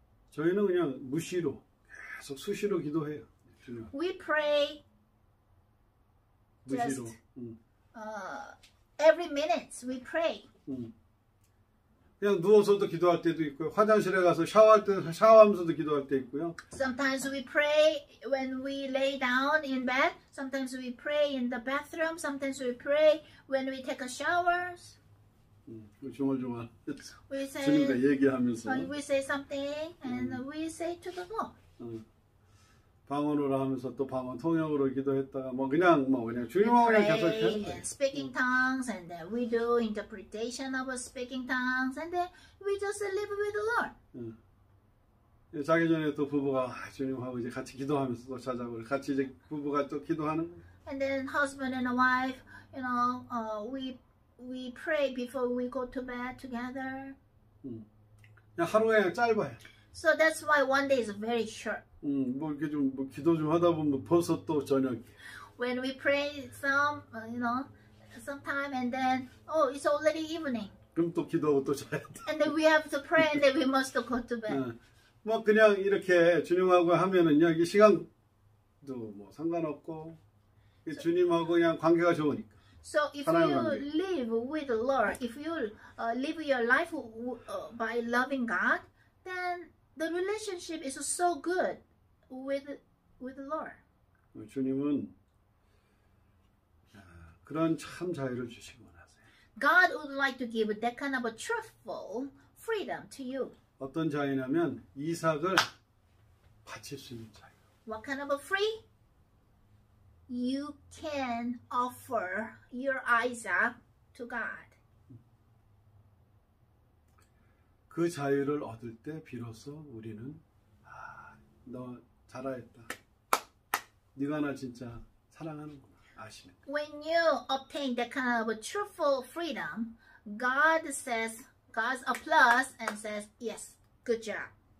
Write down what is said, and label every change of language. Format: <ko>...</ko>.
<ko>저희는 그냥 무시로 계속 수시로 기도해요.</ko> <en>We pray just every minute. We pray.</en> <ko>그냥 누워서도 기도할 때도 있고 화장실에 가서 샤워할 때 샤워하면서도 기도할 때 있고요.</ko> <en>Sometimes we pray when we lay down in bed. Sometimes we pray in the bathroom. Sometimes we pray when we take a showers.</en> <ko>중얼중얼 주님과 얘기하면서.</ko> <en>We say something and we say to the Lord.</en> <ko>방언으로 하면서 또 방언 통역으로 기도했다가 뭐 그냥 뭐 그냥 주님하고 그냥 계속 계속</ko> <en>speaking tongues and then we do interpretation of speaking tongues and then we just live with the Lord.</en> <ko>자기 전에 또 부부가 주님하고 이제 같이 기도하면서 또 찾아오고 같이 이제 부부가 또 기도하는.</ko> <en>And then husband and wife, you know, we pray before we go to bed together.</en> <ko>그냥 하루에 짧아요.</ko> <en>So that's why one day is very short.</en> <ko>뭐 이렇게 좀 뭐 기도 좀 하다 보면 벌써 또 저녁.</ko> <en>When we pray some, you know, sometime and then oh, it's already evening.</en> <ko>그럼 또 기도하고 또 자야 돼.</ko> <en>And then we have to pray and then we must go to bed.</en> <ko>뭐 그냥 이렇게 주님하고 하면은 여기 시간도 뭐 상관없고 so, 주님하고 그냥 관계가 좋으니까.</ko> <en>So if you</en> <ko>관계.</ko> <en>live with the Lord, if you live your life by loving God, then the relationship is so good with the Lord.</en> <ko>주님은 그런 참 자유를 주시기 원하세요.</ko> <en>God would like to give that kind of a truthful freedom to you.</en> <ko>어떤 자유냐면 이삭을 바칠 수 있는 자유.</ko> <en>What kind of a free? You can offer your Isaac to God.</en> <ko>그 자유를 얻을 때 비로소 우리는 아, 너 잘하였다. 네가 나 진짜 사랑하는구나. 아시네.</ko> <en>When you obtain that kind of a truthful freedom, God says, God's applause and says, yes, good job.</en>